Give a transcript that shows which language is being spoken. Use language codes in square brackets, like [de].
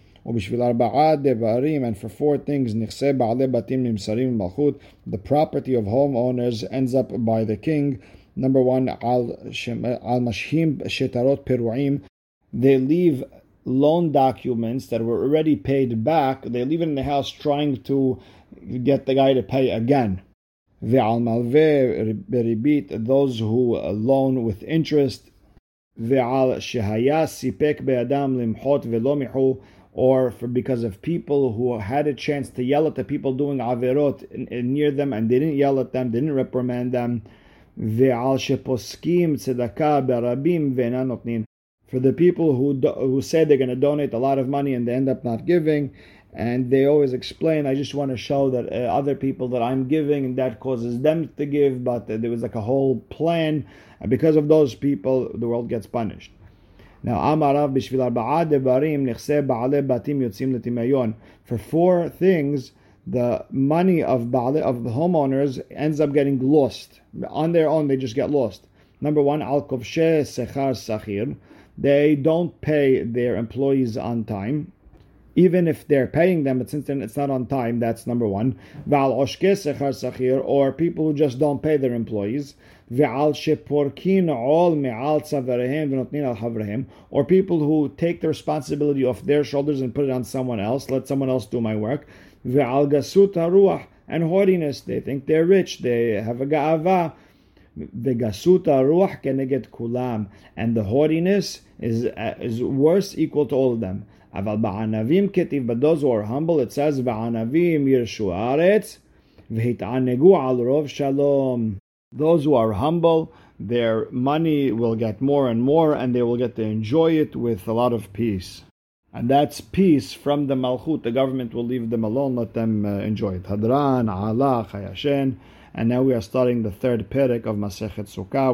[he] ובשביל ארבעה דברים, [en] and for four things, [he] נכסי בעלי בתים נמסרים למלכות, [en] the property of homeowners ends up by the king. Number one, [he] על משהים שטרות פירועים, [en] they leave loan documents that were already paid back, they leave it in the house trying to get the guy to pay again. [he] ועל מלווה בריבית, [en] those who loan with interest, [he] ועל שהיה סיפק בידם למחות ולא מחו, [en] or for because of people who had a chance to yell at the people doing averot near them and they didn't yell at them, they didn't reprimand them. [he] Ve'al sheposkim tzedakah berabim ve'na notnin. [en] For the people who say they're going to donate a lot of money and they end up not giving, and they always explain, I just want to show that other people that I'm giving and that causes them to give, but there was like a whole plan, and because of those people, the world gets punished. [he] Now, Amarav, בשביל ארבעה דברים נכסי בעלי בתים יוצאים לטמיון. [en] For four things, the money of בעלי, of the homeowners ends up getting lost. On their own, they just get lost. Number one, [he] על כובשי שכר שכיר. [en] They don't pay their employees on time. Even if they're paying them, but since then it's not on time, that's number one. [he] ועל עושקי שכר שכיר, [en] or people who just don't pay their employees. [he] ועל שפורקין עול מעל צוואריהם ונותנים על חבריהם, [en] or people who take the responsibility off their shoulders and put it on someone else, let someone else do my work. [he] ועל גסות הרוח, [en] and haughtiness, they think they're rich, they have a ga'ava. [he] וגסות הרוח כנגד כולם, [en] and the haughtiness is worse equal to all of them. [he] אבל בענבים כתיב, [en] but those who are humble, it says, [he] וענבים ירשו הארץ, והתענגו על רוב שלום. [en] Those who are humble, their money will get more and more, and they will get to enjoy it with a lot of peace. And that's peace from the Malchut. The government will leave them alone, let them enjoy it. Hadran, Allah, Chayashen. And now we are starting the third perek of Masechet Sukkah.